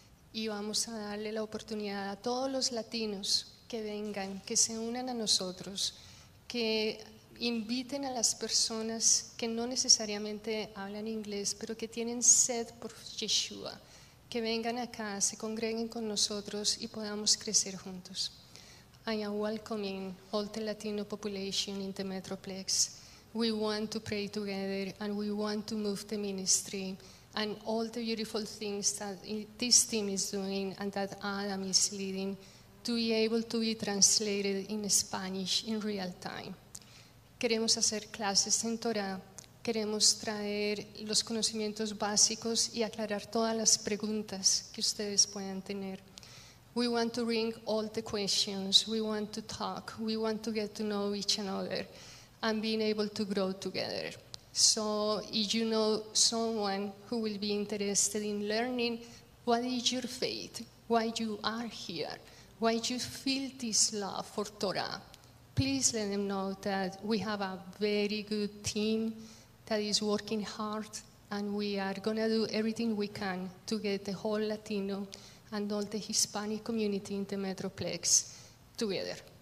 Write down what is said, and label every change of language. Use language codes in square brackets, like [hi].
[es] y vamos a darle la oportunidad a todos los latinos que vengan, que se unan a nosotros, que inviten a las personas que no necesariamente hablan inglés, pero que tienen sed por Yeshua, que vengan acá, se congreguen con nosotros y podamos crecer juntos. [en] I am welcoming all the Latino population in the Metroplex. We want to pray together and we want to move the ministry and all the beautiful things that this team is doing and that Adam is leading to be able to be translated in Spanish in real time. [es] Queremos hacer clases en Torah. Queremos traer los conocimientos básicos y aclarar todas las preguntas que ustedes puedan tener. [en] We want to bring all the questions. We want to talk. We want to get to know each other and being able to grow together. So if you know someone who will be interested in learning, what is your faith? Why you are here? Why you feel this love for Torah? Please let them know that we have a very good team that is working hard, and we are going to do everything we can to get the whole Latino and all the Hispanic community in the Metroplex together.